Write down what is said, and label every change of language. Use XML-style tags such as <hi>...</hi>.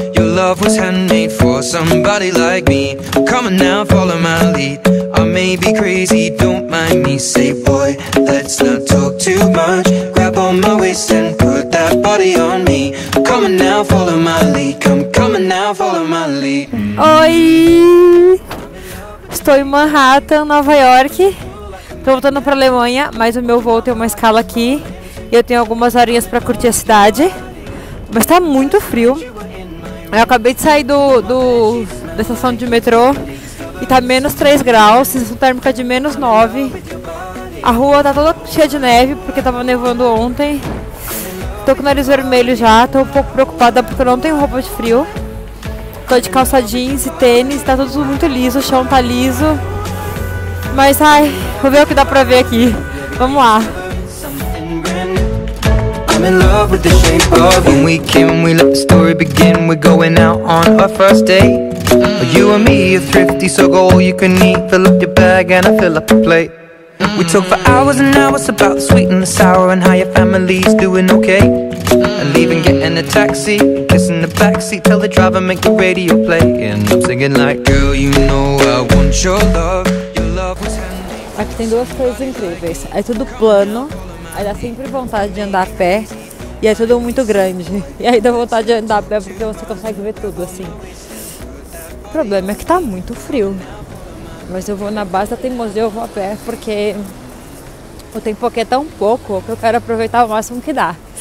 <en>Your love was handmade for somebody like me. Come on now, follow my lead. I may be crazy, don't mind me. Say, boy, let's not talk too much. Grab on my waist and put that body on me. Come on now, follow my lead. Come, come on now, follow my lead.</en> <pt>Oi! Estou em Manhattan, Nova York. Estou voltando para a Alemanha, mas o meu voo tem uma escala aqui. E eu tenho algumas horinhas para curtir a cidade. Mas está muito frio. Eu acabei de sair da estação de metrô. E está menos 3 graus, sensação térmica de menos 9. A rua está toda cheia de neve, porque estava nevando ontem. Estou com o nariz vermelho já. Estou um pouco preocupada, porque eu não tenho roupa de frio. Tô de calça jeans e tênis, tá tudo muito liso, o chão tá liso. Mas ai, vou ver o que dá pra ver aqui. Vamos lá.</pt> <en>I'm in love with the shape of when we came, we let the story begin. We're going out on our first date. You and me are thrifty, so go all you can eat. Fill up your bag and I fill up the plate. We talk for hours and hours about the sweet and the sour and how your family's doing okay. And leaving, getting a taxi, kissing the backseat, tell the driver, make the radio play. And I'm singing like, girl, you know I want your love. Your love was handy.</en> <pt>Aqui tem duas coisas incríveis. É tudo plano, aí dá sempre vontade de andar a pé. E é tudo muito grande. E aí dá vontade de andar a pé porque você consegue ver tudo assim. O problema é que tá muito frio. Mas eu vou na base da teimosia, eu vou a pé, porque o tempo aqui é tão pouco que eu quero aproveitar o máximo que dá.</pt>